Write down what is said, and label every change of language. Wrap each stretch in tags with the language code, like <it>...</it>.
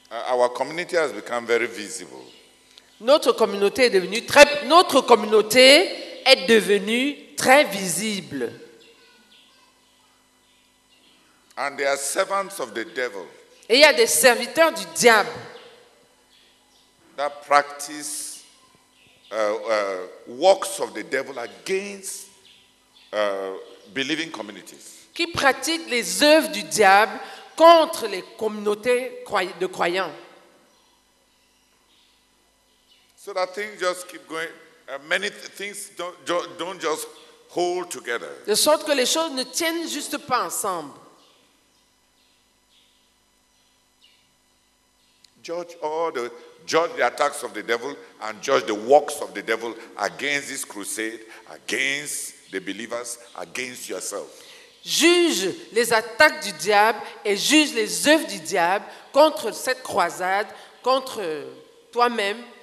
<en>Our community has become very visible.</en> <fr>Notre communauté est devenue très visible.</fr> <en>And they are servants of the devil.</en> <fr>Et il y a des serviteurs du diable.</fr> <en>That practice works of the devil against believing communities.</en> <fr>Qui pratiquent les œuvres du diable contre les communautés de croyants.</fr> <en>So that things just keep going. Many things don't just hold together.</en> <fr>De sorte que les choses ne tiennent juste pas ensemble.</fr> <en>Judge the attacks of the devil and judge the works of the devil against this crusade, against the believers, against yourself.</en> <fr>Juge les attaques du diable et juge les œuvres du diable contre cette croisade, contre toi-même,</fr>